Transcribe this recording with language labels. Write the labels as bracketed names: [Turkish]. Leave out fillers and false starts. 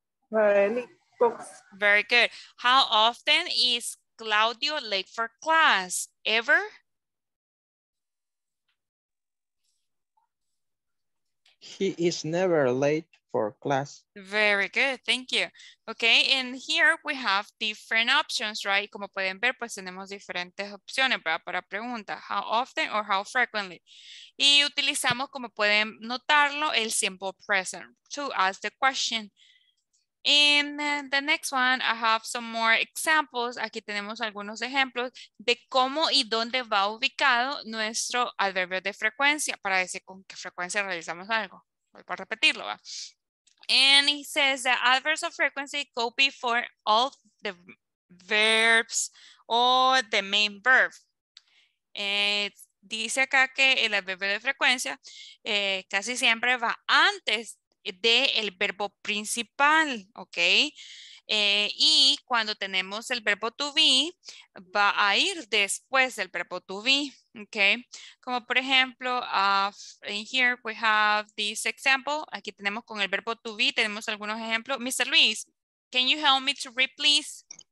[English] Very good. How often is Claudio late for class? Ever? He is never late for class. Very good, thank you. Okay, and here we have different options, right? [Spanish] Como pueden ver, pues tenemos diferentes opciones para preguntas. [English] How often or how frequently? [Spanish] Y utilizamos, como pueden notarlo, el [English] simple present to ask the question. In the next one, I have some more examples. [Spanish] Aquí tenemos algunos ejemplos de cómo y dónde va ubicado nuestro adverbio de frecuencia para decir con qué frecuencia realizamos algo. Vuelvo a repetirlo, ¿va? [English] And it says the adverbs of frequency go before all the verbs or the main verb. [Spanish] Dice acá que el adverbio de frecuencia casi siempre va antes de el verbo principal, ok, y cuando tenemos el verbo to be, va a ir después del verbo to be, ok, como por ejemplo, [English] in here we have this example, [Spanish] aquí tenemos con el verbo to be, tenemos algunos ejemplos. [English] Mr. Luis, can you help me to read please?